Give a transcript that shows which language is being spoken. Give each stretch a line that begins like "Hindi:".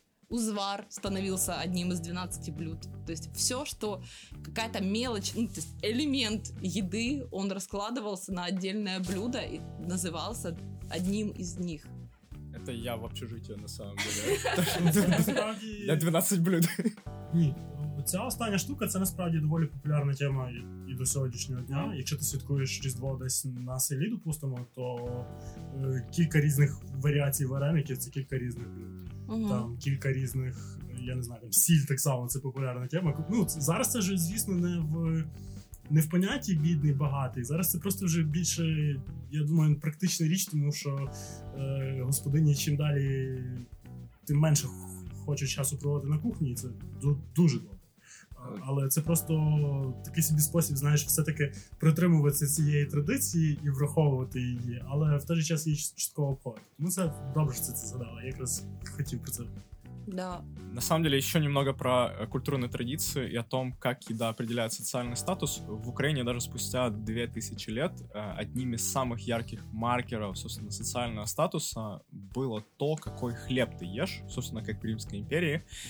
Russian: Узвар становился одним из 12 блюд. То есть все, что какая-то мелочь, ну, то есть элемент еды, он раскладывался на отдельное блюдо и назывался одним из них. Это я в общежитии, на самом деле. Я 12 блюд.
Ukrainian: Ця остання штука, це насправді доволі популярна тема і до сьогоднішнього дня. Якщо ти святкуєш Різдво десь на селі, допустимо, то кілька різних варіацій вареників, це кілька різних блюд. Там кілька різних, я не знаю, там сіль так само, це популярна тема. Ну, зараз це вже, звісно, не в понятті бідний, багатий. Зараз це просто вже більше, я думаю, практична річ, тому що господині чим далі, тим менше хочуть часу проводити на кухні, і це дуже добре. Але це просто такий собі спосіб, знаєш, все-таки притримуватися цієї традиції і враховувати її, але в той же час її частково обходить. Ну це добре, що це згадала, я якраз хотів про це.
Russian: Да. На самом деле, еще немного про культурные традиции и о том, как еда определяет социальный статус. В Украине даже спустя 2000 лет одним из самых ярких маркеров, собственно, социального статуса было то, какой хлеб ты ешь, собственно, как в Римской империи.